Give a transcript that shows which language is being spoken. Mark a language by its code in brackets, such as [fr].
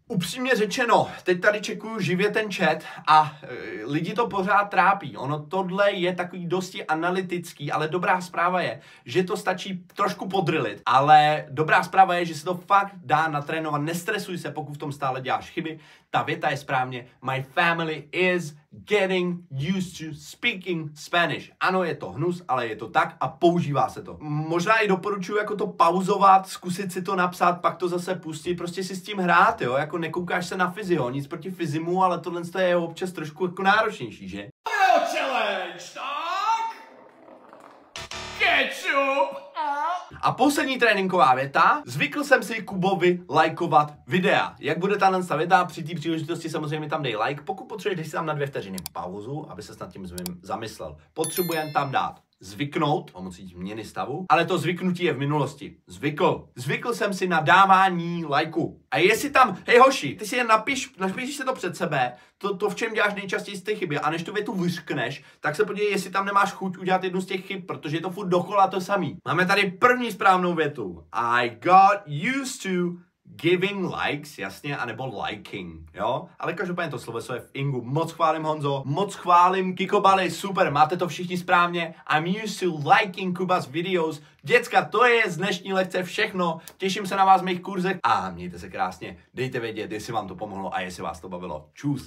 [cs] Upřímně řečeno, teď tady čekuju živě ten chat a lidi to pořád trápí. Ono tohle je takový dosti analytický, ale dobrá zpráva je, že to stačí trošku podrilit, ale dobrá zpráva je, že se to fakt dá natrénovat. Nestresuj se, pokud v tom stále děláš chyby. Ta věta je správně. [en] My family is getting used to speaking Spanish. [cs] Ano, je to hnus, ale je to tak a používá se to. Možná i doporučuji jako to pauzovat, zkusit si to napsat, pak to zase pustit, prostě si s tím hrát, jo, jako nekoukáš se na fyzi, jo, nic proti fyzimu, ale tohle je občas trošku jako náročnější, že? Bio challenge, tak? Ketchup! A poslední tréninková věta, zvykl jsem si Kubovi lajkovat videa. Jak bude tahle věta, při té příležitosti samozřejmě tam dej like, pokud potřebuješ, dej si tam na dvě vteřiny pauzu, aby se nad tím zamyslel. Potřebujem tam dát zvyknout pomocí změny stavu, ale to zvyknutí je v minulosti. Zvykl jsem si na dávání lajku. A jestli tam, hej hoši, ty si jen napíšiš si to před sebe, to v čem děláš nejčastěji z té chyby, a než tu větu vyřkneš, tak se podívej, jestli tam nemáš chuť udělat jednu z těch chyb, protože je to furt dokola to samý. Máme tady první správnou větu. [en] I got used to giving likes, jasně, anebo liking, jo? [cs] Ale každopádně to sloveso je v ingu. Moc chválím Honzo, moc chválím Kikobaly, super, máte to všichni správně. [en] I'm used to liking Kuba's videos. [cs] Děcka, to je z dnešní lekce všechno. Těším se na vás v mých kurzech a mějte se krásně. Dejte vědět, jestli vám to pomohlo a jestli vás to bavilo. Čus.